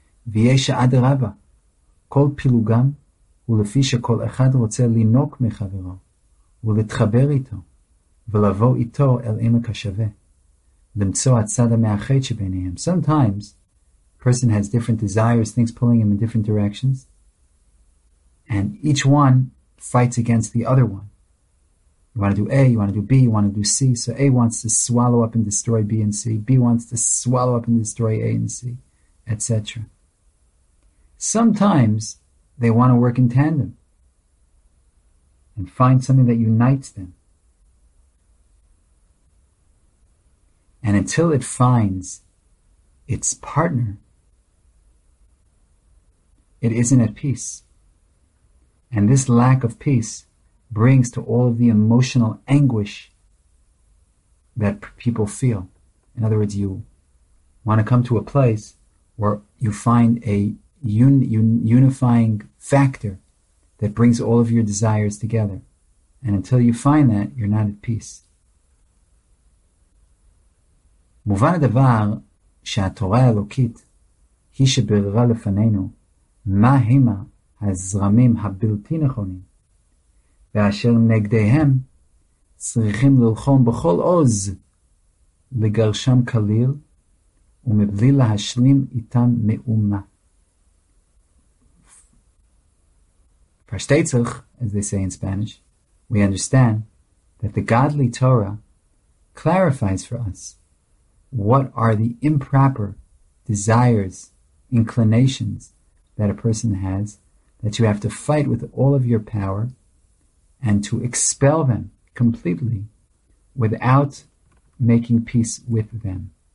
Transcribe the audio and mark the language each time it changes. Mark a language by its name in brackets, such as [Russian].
[Hebrew] ויש עד רבה, כל פילוגם הוא לפי שכל אחד רוצה לנוק מחברו ולהתחבר איתו ולבוא איתו אל עמק השווה, למצוא הצד המאחד שביניהם. [English] Sometimes a person has different desires, things pulling him in different directions, and each one fights against the other one. You want to do A, you want to do B, you want to do C. So A wants to swallow up and destroy B and C, B wants to swallow up and destroy A and C, etc. Sometimes they want to work in tandem and find something that unites them. And until it finds its partner, it isn't at peace. And this lack of peace brings to all of the emotional anguish that people feel. In other words, you want to come to a place where you find a unifying factor that brings all of your desires together. And until you find that, you're not at peace. [Hebrew] מובן הדבר שהתורה האלוקית היא שבררה לפנינו מה הימה הזרמים הבלתי נכונים ואשר נגדיהם צריכים ללחום בכל עוז לגרשם כליל ומבלי להשלים איתם מאומה. [English] Prashtetzich, as they say in Spanish, we understand that the godly Torah clarifies for us what are the improper desires, inclinations that a person has, that you have to fight with all of your power and to expel them completely without making peace with them.